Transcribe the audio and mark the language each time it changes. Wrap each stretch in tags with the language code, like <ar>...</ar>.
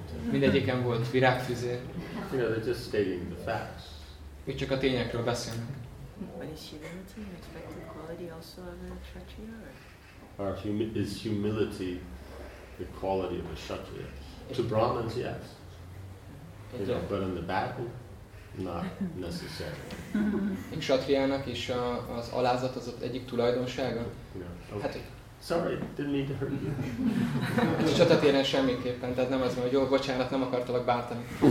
<hu>Mindegyiken volt virágfüzér.</hu> <en>You know, they're just stating the facts.</en> <hu>Ők csak a tényekről beszélnek.</hu> <en>But is humility an expected quality also of a kshatriya? Or is humility the quality of a kshatriya? To Brahmins, yes. You know, but in the battle, not necessary.</en> <hu>Egy kshatriának is az alázat az egyik tulajdonsága?</hu> <en>No. Hát, sorry, didn't mean to hurt you.</en> <hu>A csatatéren semmiképpen, tehát nem az, hogy jó, bocsánat, nem akartalak bántani.</hu>